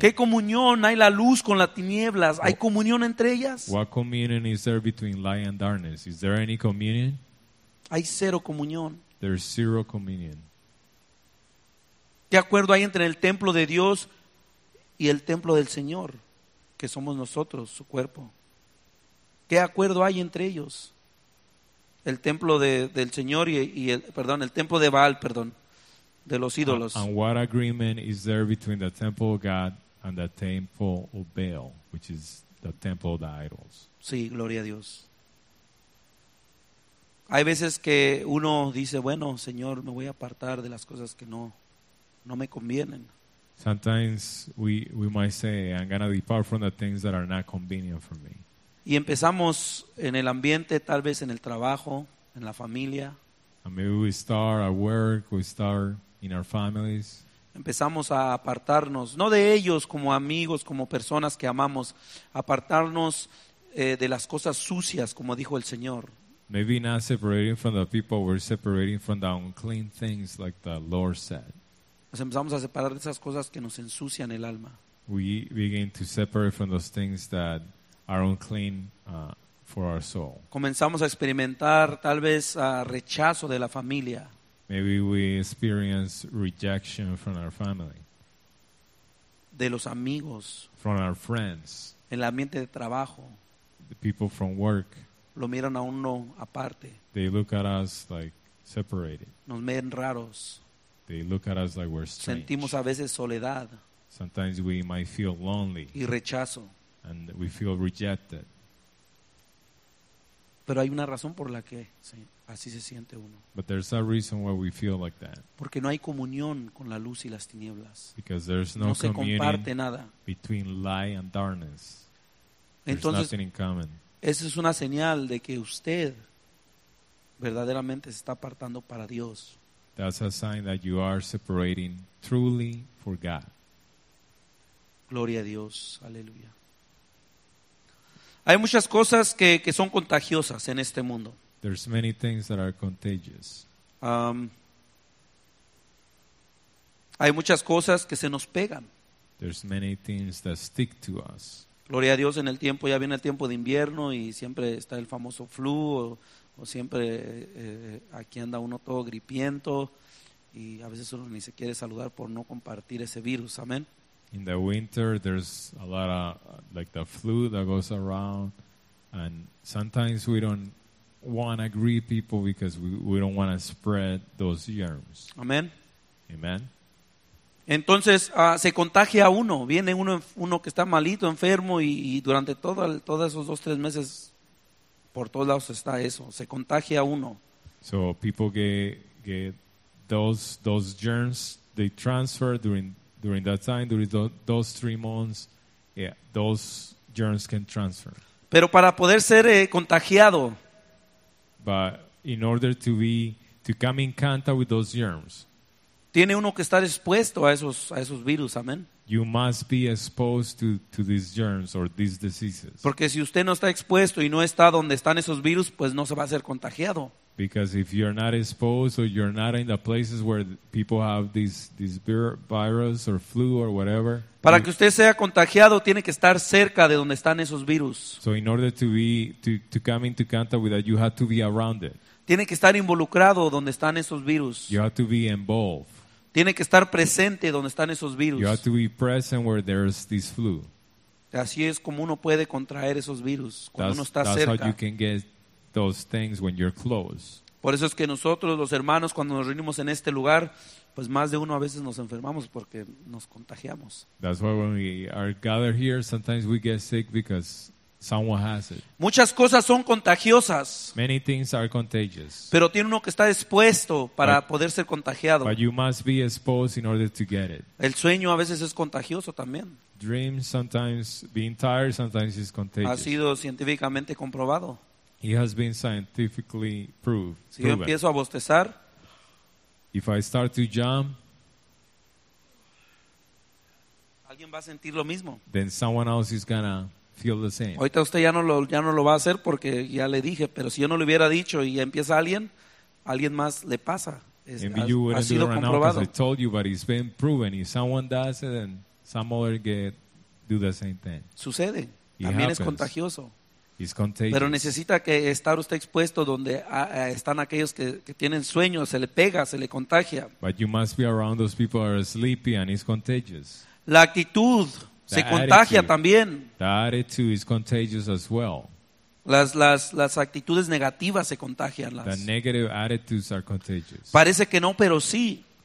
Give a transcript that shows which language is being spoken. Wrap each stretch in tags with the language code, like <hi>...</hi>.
<es>¿Qué comunión hay la luz con las tinieblas? ¿Hay comunión entre ellas?</es> <en>What communion is there between light and darkness? Is there any communion?</en> <es>Hay cero comunión.</es> <en>There's zero communion.</en> <es>¿Qué acuerdo hay entre el templo de Dios y el templo del Señor, que somos nosotros, su cuerpo? ¿Qué acuerdo hay entre ellos? El templo del Señor el templo de Baal, perdón, de los ídolos.</es> <en>And what agreement is there between the temple of God and the temple of Baal, which is the temple of the idols?</en> <es>Sí, gloria a Dios. Hay veces que uno dice, bueno, Señor, me voy a apartar de las cosas que no me convienen.</es> <en>Sometimes we might say, I'm going to depart from the things that are not convenient for me.</en> <es>Y empezamos en el ambiente, tal vez en el trabajo, en la familia.</es> <en>And maybe we start at work, we start in our families.</en> <es>Empezamos a apartarnos, no de ellos como amigos, como personas que amamos, apartarnos de las cosas sucias, como dijo el Señor.</es> <en>Maybe not separating from the people, we're separating from the unclean things, like the Lord said.</en> <es>Nos empezamos a separar de esas cosas que nos ensucian el alma.</es> <en>We begin to separate from those things that are unclean for our soul.</en> <es>Comenzamos a experimentar tal vez rechazo de la familia.</es> <en>Maybe we experience rejection from our family.</en> <es>De los amigos.</es> <en>From our friends.</en> <es>El ambiente de trabajo.</es> <en>The people from work.</en> <es>Lo miran a uno aparte.</es> <en>They look at us like separated.</en> <es>Nos ven raros.</es> <en>They look at us like we're strange.</en> <es>Sentimos a veces soledad.</es> <en>Sometimes we might feel lonely.</en> <es>Y rechazo.</es> <en>And we feel rejected.</en> <es>Pero hay una razón por la que así se siente uno.</es> <en>But there's a reason why we feel like that.</en> <es>Porque no hay comunión con la luz y las tinieblas.</es> <en>Because there's no</en> <es>communion. No se comparte nada.</es> <en>Between light and darkness.</en> <es>Entonces,</es> <en>there's nothing in common.</en> <es>Esa es una señal de que usted verdaderamente se está apartando para Dios.</es> <en>That's a sign that you are separating truly for God.</en> <es>Gloria a Dios. Aleluya. Hay muchas cosas que son contagiosas en este mundo.</es> <en>There's many things that are contagious.</en> <es>Hay muchas cosas que se nos pegan.</es> <en>There's many things that stick to us.</en> <es>Gloria a Dios, en el tiempo, ya viene el tiempo de invierno y siempre está el famoso flu o siempre aquí anda uno todo gripiento y a veces uno ni se quiere saludar por no compartir ese virus. Amén.</es> <en>In the winter, there's a lot of, like, the flu that goes around. And sometimes we don't want to greet people because we don't want to spread those germs. Amen. Amen.</en> <es>Entonces, se contagia uno. Viene uno que está malito, enfermo, y durante todos esos 2-3 meses, por todos lados está eso. Se contagia uno.</es> <en>So people get those germs, they transfer during that time, during those 3 months, yeah, those germs can transfer.</en> <es>Pero para poder ser contagiado,</es> <en>but in order to come in contact with those germs,</en> <es>tiene uno que estar expuesto a esos virus, amen.</es> <en>You must be exposed to these germs or these diseases.</en> <es>Porque si usted no está expuesto y no está donde están esos virus, pues no se va a ser contagiado.</es> <en>Because if you're not exposed or you're not in the places where people have this virus or flu or whatever.</en> <es>Para que usted sea contagiado, tiene que estar cerca de donde están esos virus.</es> <en>So in order to come into contact with that, you have to be around it.</en> <es>Tiene que estar involucrado donde están esos virus.</es> <en>You have to be involved.</en> <es>Tiene que estar presente donde están esos virus.</es> <en>You have to be present where there's this flu.</en> <es>Así es como uno puede contraer esos virus cuando</es> <en>that's,</en> <es>uno está</es> <en>that's</en> <es>cerca.</es> <en>That's how you can get those things when you're close.</en> <es>Por eso es que nosotros los hermanos cuando nos reunimos en este lugar, pues más de uno a veces nos enfermamos porque nos contagiamos.</es> <en>That's why when we are gathered here, sometimes we get sick because Someone has it.</en> <es>Muchas cosas son contagiosas.</es> <en>Many things are contagious.</en> <es>Pero tiene uno que está expuesto para poder ser contagiado.</es> <en>But you must be exposed in order to get it.</en> <es>El sueño a veces es contagioso también.</es> <en>Dreams sometimes, being tired sometimes is contagious.</en> <es>Ha sido científicamente comprobado.</es> <en>It has been scientifically proved.</en> <es>Si yo empiezo a bostezar,</es> <en>if I start to jump,</en> <es>alguien va a sentir lo mismo.</es> <en>Then someone else is gonna feel the same.</en> <es>Ahorita usted ya no lo va a hacer porque ya le dije, pero si yo no le hubiera dicho y ya empieza alguien más le pasa. Ha sido comprobado.</es> <en>I told you, but it's been proven. If someone does it, then some other do the same thing.</en> <es>Sucede. También es contagioso.</es> <en>It's contagious.</en> <es>Pero necesita que estar usted expuesto donde están aquellos que tienen sueños, se le pega, se le contagia.</es> <en>But you must be around those people who are sleepy and it's contagious.</en> <es>La actitud se contagia también.</es> <en>The attitude is contagious as well.</en> <es>Las actitudes negativas se contagian.</es> <en>The negative attitudes are contagious.</en> <es>Parece que no, pero sí.</es>